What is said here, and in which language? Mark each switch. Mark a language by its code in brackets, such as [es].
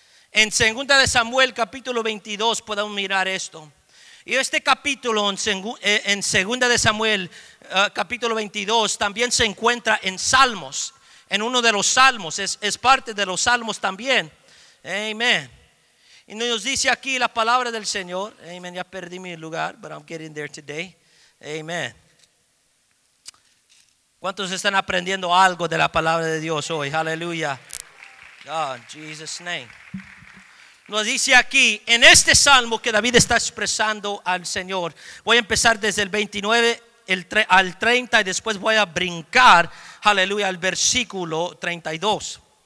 [es] En 2 de Samuel capítulo 22 podemos mirar esto. Y este capítulo en 2 de Samuel capítulo 22 también se encuentra en Salmos, en uno de los Salmos, es parte de los Salmos también. Amén. Y nos dice aquí la palabra del Señor. Amén. Ya perdí mi lugar, [en] but I'm getting there today. [es] Amén. ¿Cuántos están aprendiendo algo de la palabra de Dios hoy? Aleluya. [en] Oh, in Jesus' name. [es] Nos dice aquí en este salmo que David está expresando al Señor. Voy a empezar desde el 29 al 30 y después voy a brincar, aleluya, al versículo 32.